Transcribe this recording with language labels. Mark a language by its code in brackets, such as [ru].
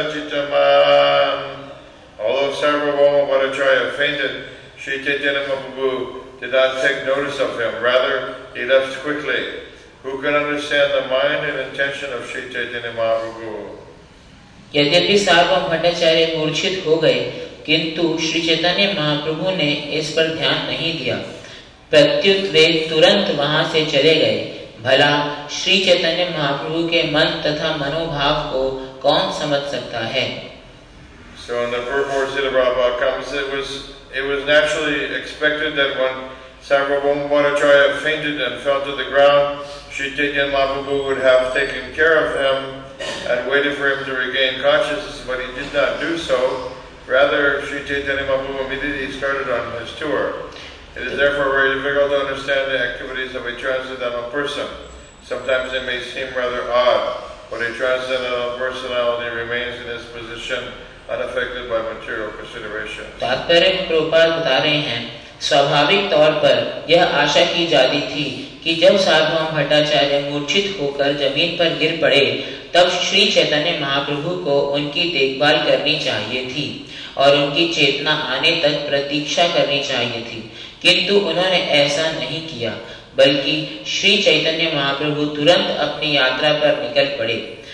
[en] Although Sarvabhauma Bhattacharya fainted, Sri Chaitanya Mahaprabhu did not take notice of him. Rather, he left quickly. Who can understand the mind and intention of Sri Chaitanya Mahaprabhu? [hi] यद्यपि सार्वभौम भट्टाचार्य मूर्छित हो गए किंतु श्री चैतन्य महाप्रभु ने इस पर ध्यान नहीं दिया प्रत्युत वे तुरंत वहां से चले गए. भला श्री चैतन्य महाप्रभु के मन तथा मनोभाव को कौन समझ सकता है. [en] So in the purport Srila Prabhupada comes, it was naturally expected that when Sarvabhauma Bhattacharya fainted and fell to the ground, Sri Chaitanya Mahaprabhu would have taken care of him and waited for him to regain consciousness, but he did not do so. Rather, Sri Chaitanya Mahaprabhu immediately started on his tour. It is therefore very difficult to understand the activities of a transcendental person. Sometimes it may seem rather odd, but a transcendental personality remains in his position unaffected by material considerations. [hi] तात्पर्य प्रभुपाद बता रहे हैं स्वाभाविक तौर पर यह आशा की जाती थी कि जब सार्वभौम भट्टाचार्य मूर्छित होकर जमीन पर गिर पड़े तब श्री चैतन्य महाप्रभु को उनकी देखभाल करनी चाहिए थी और उनकी चेतना आने तक प्रतीक्षा करनी चाहिए थी किंतु उन्होंने ऐसा नहीं किया बल्कि श्री चैतन्य महाप्रभु तुरंत अपनी यात्रा पर निकल पड़े.